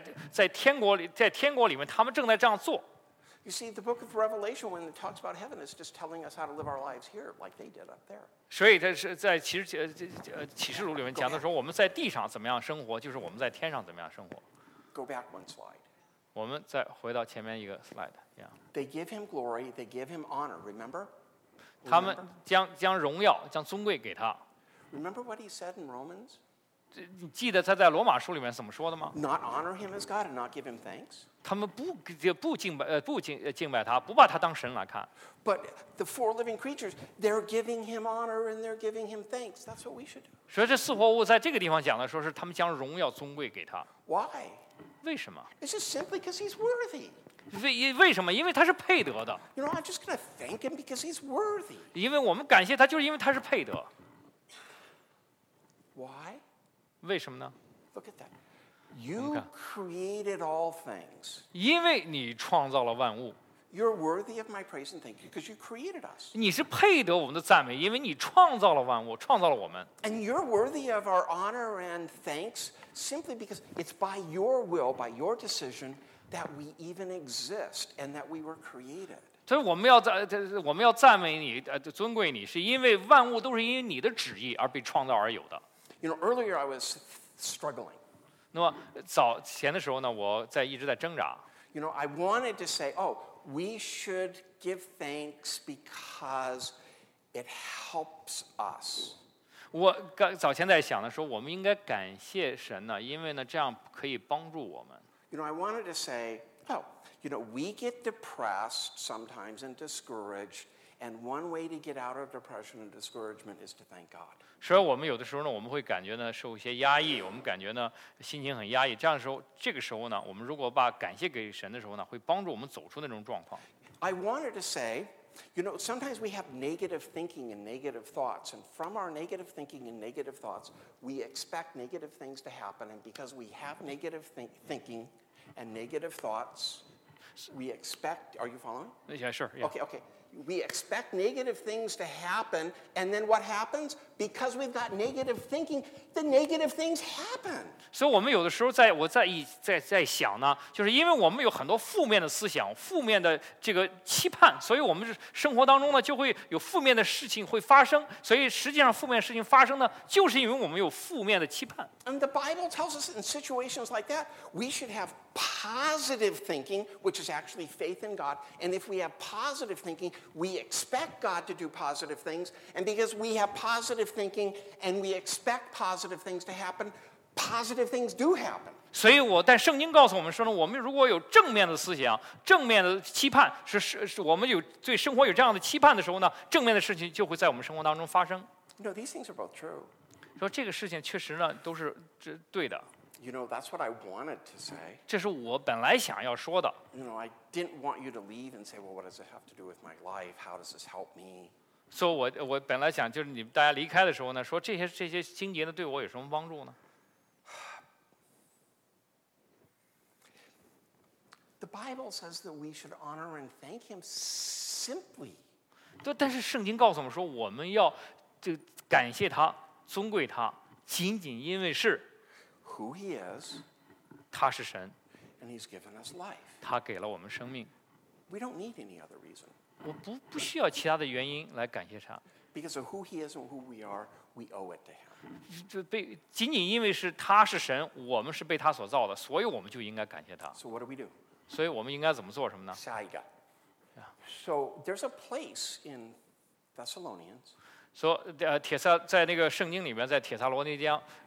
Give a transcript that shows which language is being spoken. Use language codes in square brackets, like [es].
[zh] 在天国里面他们正在这样做。 [en] You see, the book of Revelation, when it talks about heaven, is just telling us how to live our lives here, like they did up there. [zh] 所以在启示录里面讲的时候，我们在地上怎么样生活，就是我们在天上怎么样生活。 [en] Go back one slide. [zh] 我们再回到前面一个 slide. [en] Yeah. They give him glory, they give him honor, remember? [zh] 他们将荣耀，将尊贵给他。 [en] Remember what he said in Romans? [zh] 你记得他在罗马书里面怎么说的吗 [en] ？Not honor him as God and not give him thanks. [zh] 他们不敬拜他，不把他当神来看。 [en] But the four living creatures, they're giving him honor and they're giving him thanks. That's what we should do. [zh] 所以这四活物在这个地方讲的说是他们将荣耀尊贵给他。 [en] Why? [zh] 为什么 [en] ？It's just simply because he's worthy. [zh] 为什么？因为他是配得的。 [en] You know, I'm just going to thank him because he's worthy. [zh] 因为我们感谢他，就是因为他是配得。 [en] Why? [zh] 为什么呢 [en] Look at that. You created all things. [zh] 因为你创造了万物。 [en] You're worthy of my praise and thank you because you created us. [zh] 你是配得我们的赞美，因为你创造了万物，创造了我们。 [en] And you're worthy of our honor and thanks simply because it's by your will, by your decision, that we even exist and that we were created. [zh] 所以我们要赞美你，尊贵你，是因为万物都是因为你的旨意而被创造而有的。 [en] You know, earlier I was struggling. [zh] 那么早前的时候呢，我在一直在挣扎。 [en] You know, I wanted to say, oh. We should give thanks because it helps us. [zh] 我早前在想的时候，我们应该感谢神呢，因为呢，这样可以帮助我们。 [en] You know, I wanted to say, oh, you know, we get depressed sometimes and discouraged, and one way to get out of depression and discouragement is to thank God. [zh] 所以我们有的时候呢，我们会感觉呢受一些压抑，我们感觉呢心情很压抑。这样的时候，这个时候呢，我们如果把感谢给神的时候呢，会帮助我们走出那种状况。 [en] I wanted to say, you know, sometimes we have negative thinking and negative thoughts, and from our negative thinking and negative thoughts, we expect negative things to happen, and because we have negative thinking and negative thoughts, we expect. Are you following? Yeah, sure. Yeah. Okay. Okay. We expect negative things to happen, and then what happens? Because we've got negative thinking, the negative things happen. So, [zh] 我们有的时候在想呢，就是因为我们有很多负面的思想，负面的这个期盼，所以我们生活当中呢就会有负面的事情会发生。所以实际上，负面事情发生呢，就是因为我们有负面的期盼。 [en] And the Bible tells us in situations like that, we should have positive thinking, which is actually faith in God. And if we have positive thinking,We expect God to do positive things, and because we have positive thinking and we expect positive things to happen, positive things do happen. [zh] 所以我但圣经告诉我们说呢，我们如果有正面的思想，正面的期盼，是我们有对生活有这样的期盼的时候呢，正面的事情就会在我们生活当中发生。 [en] You know, these things are both true. [zh] 说这个事情确实呢都是对的。 [en] You know, that's what I wanted to say. [zh] 这是我本来想要说的。 [en] You know, I didn't want you to leave and say, well, what does it have to do with my life? How does this help me? So, [zh] 我本来想就是你大家离开的时候呢，说这些经节呢对我有什么帮助呢？ [en] The Bible says that we should honor and thank him simply. [zh] 对，但是圣经告诉我们说，我们要就感谢他，尊贵他，仅仅因为是。 [en] Who he is, [zh] 他是神 [en] and he's given us life. [zh] 他给了我们生命 [en] We don't need any other reason. [zh] 我不需要其他的原因来感谢他 [en] Because of who he is and who we are, we owe it to him. [zh] 仅仅因为是他是神，我们是被他所造的，所以我们就应该感谢他。 [en] So what do we do? [zh] 所以我们应该怎么做什么呢？下一个 [en] So there's a place in Thessalonians. So, [zh] 铁撒在那个圣经里面，在铁撒罗尼迦。